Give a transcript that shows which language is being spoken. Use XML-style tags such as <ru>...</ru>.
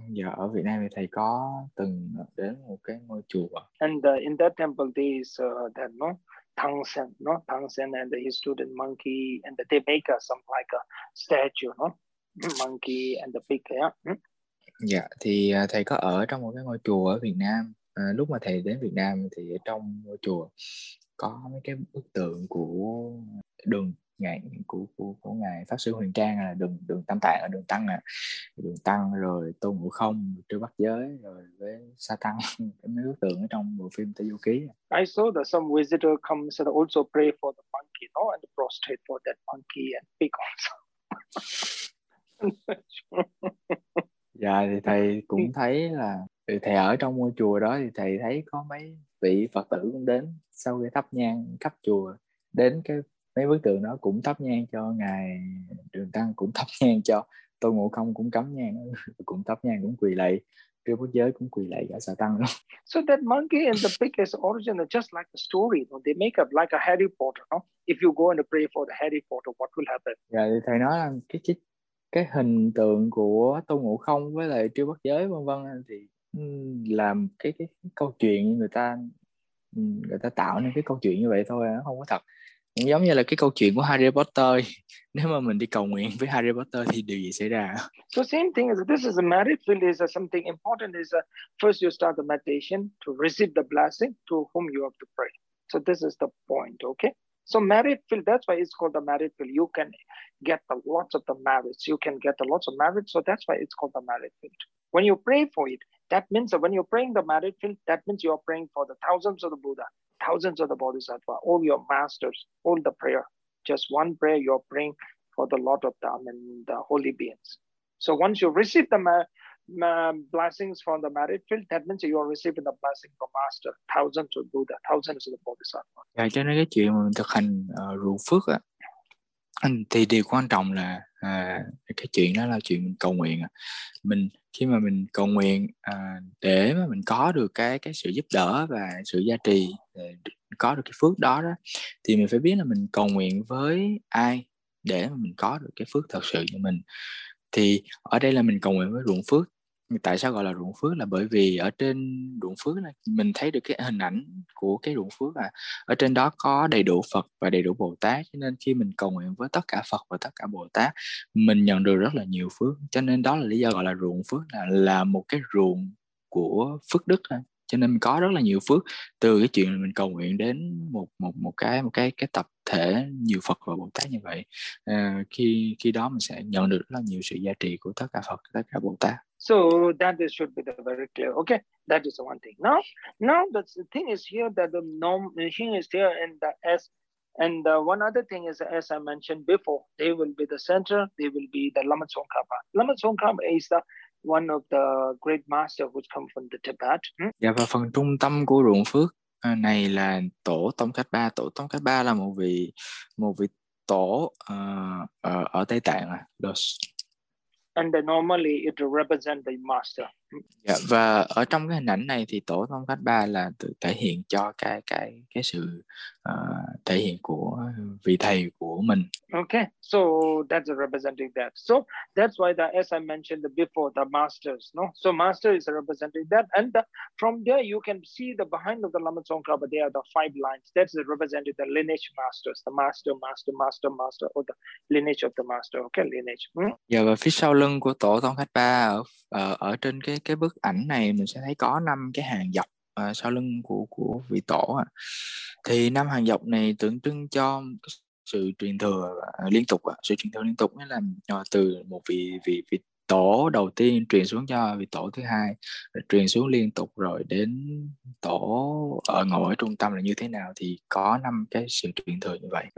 <vi>Yeah, ở Việt Nam thì thầy có từng đến một cái ngôi chùa.</vi> <en>And in that temple, there is that no Thang Sen, no Thang Sen, and his student monkey, and they make some like a statue, no monkey and the pig, yeah. Hmm?</en> <vi>Dạ, thì thầy có ở trong một cái ngôi chùa ở Việt Nam. Lúc mà thầy đến Việt Nam thì ở trong ngôi chùa có mấy cái bức tượng của đường ngài của ngài Pháp Sư Huyền Trang là đường đường Tam Tạng, ở đường Tăng à, đường Tăng rồi Tôn Ngộ Không, Trư Bát Giới rồi với Sa Tăng, cái mấy bức tượng ở trong bộ phim Tây Du Ký.</vi> <en>I saw that some visitor comes and also pray for the monkey, no, and prostrate for that monkey and pig also.</en> <vi>Dạ thì thầy cũng thấy là thầy ở trong ngôi chùa đó thì thầy thấy có mấy vị Phật tử cũng đến sau khi thắp nhang khắp chùa, đến cái mấy bức tượng đó cũng thắp nhang cho ngài Đường Tăng, cũng thắp nhang cho Tôn Ngộ Không, cũng cắm nhang, cũng thắp nhang, cũng quỳ lạy Trư Bát Giới, cũng quỳ lạy cả Sa Tăng luôn.</vi> <en>So that monkey and the pig is original just like the story, no? They make up like a Harry Potter, no? If you go and pray for the Harry Potter, what will happen?</en> <vi>Dạ thì thầy nói là cái hình tượng của Tôn Ngộ Không với lại Trư Bát Giới vân vân thì làm cái câu chuyện người ta tạo nên cái câu chuyện như vậy thôi, nó không có thật. Giống như là cái câu chuyện của Harry Potter, nếu mà mình đi cầu nguyện với Harry Potter thì điều gì xảy ra?</vi> <en>So same thing is this is a merit field, is something important is first you start the meditation to receive the blessing to whom you have to pray. So this is the point, okay? So merit field, that's why it's called the merit field. You can get the lots of the merits. You can get the lots of merits. So that's why it's called the merit field. When you pray for it, that means that when you're praying the merit field, that means you are praying for the thousands of the Buddha, thousands of the Bodhisattva, all your masters, all the prayer. Just one prayer you're praying for the lot of them and the holy beings. So once you receive the blessings from the merit field, that means you are receiving the blessing from master, thousands of Buddha, thousands of the Bodhisattva.</en> <vi>Dạ, cho nên cái chuyện mà mình thực hành rủ phước á, thì điều quan trọng là cái chuyện đó là chuyện mình cầu nguyện. Mình khi mà mình cầu nguyện để mà mình có được cái sự giúp đỡ và sự gia trì, có được cái phước đó đó, thì mình phải biết là mình cầu nguyện với ai để mà mình có được cái phước thật sự cho mình. Thì ở đây là mình cầu nguyện với ruộng phước. Tại sao gọi là ruộng phước? Là bởi vì ở trên ruộng phước là mình thấy được cái hình ảnh của cái ruộng phước, là ở trên đó có đầy đủ Phật và đầy đủ Bồ Tát. Cho nên khi mình cầu nguyện với tất cả Phật và tất cả Bồ Tát, mình nhận được rất là nhiều phước. Cho nên đó là lý do gọi là ruộng phước, là một cái ruộng của phước đức. Cho nên có rất là nhiều phước từ cái chuyện mình cầu nguyện đến một cái tập thể nhiều Phật và Bồ Tát như vậy. Khi đó mình sẽ nhận được rất là nhiều sự giá trị của tất cả Phật, tất cả Bồ Tát.</vi> <en>So that is should be the very clear. Okay, that is the one thing. Now the thing is here that the norm thing is here, and the S, and the one other thing is, as I mentioned before, they will be the center. They will be the Lama Tsongkhapa. Lama Tsongkhapa is the one of the great master who's come from the Tibet.</en> <vi>Dạ, và phần trung tâm của ruộng phước này là tổ Tông Cách Ba. Tổ Tông Cách Ba là một vị tổ ở Tây Tạng à.</vi> <en>And then normally it represents the master.</en> <vi>Dạ, và ở trong cái hình ảnh này thì tổ Tông Cách Ba là tự thể hiện cho cái sự thể hiện của vị thầy của mình.</vi> <en>Okay, so that's representing that. So that's why the, as I mentioned before, the masters, no? So master is representing that. And from there you can see the behind of the Lama Tsongkhapa, there are the five lines. That's representing the lineage masters, the master, master, master, master, or the lineage of the master. Okay, lineage.</en> <vi>Dạ, và phía sau lưng của tổ Tông Cách Ba ở trên cái bức ảnh này mình sẽ thấy có năm cái hàng dọc sau lưng của vị tổ à. Thì năm hàng dọc này tượng trưng cho sự truyền thừa liên tục à. Sự truyền thừa liên tục nghĩa là từ một vị tổ đầu tiên truyền xuống cho vị tổ thứ hai, truyền xuống liên tục rồi đến tổ ở ngồi ở trung tâm là như thế nào, thì có năm cái sự truyền thừa như vậy.</vi>